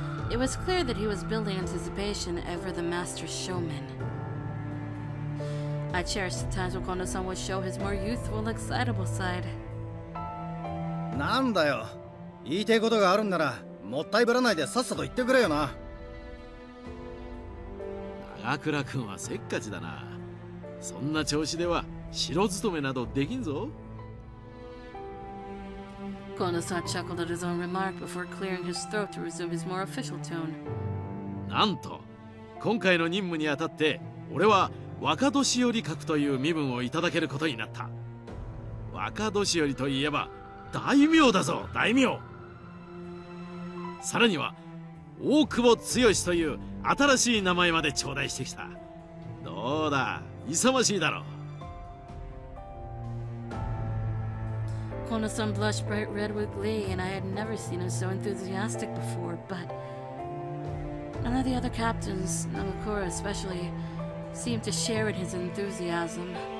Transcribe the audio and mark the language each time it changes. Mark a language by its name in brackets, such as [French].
[English] It was clear that he was building anticipation ever the master showman. I cherished the times when Condison would show his more youthful, excitable side. [Japanese] なんだよ、言いたいことがあるんならもったいぶらないでさっさと言ってくれよな。長倉君はせっかちだな。そんな調子では城勤めなどできんぞ。 [English] Konosa chuckled at his own remark before clearing his throat to resume his more official tone. [Japanese] なんと、今回の任務にあたって俺は若年寄り格という身分をいただけることになった。若年寄りといえば大名だぞ、大名。さらには大久保剛という新しい名前まで頂戴してきた。どうだ、勇ましいだろう。 [English] Konosan blushed bright red with glee, and I had never seen him so enthusiastic before, but none of the other captains, Namakura especially, seemed to share in his enthusiasm.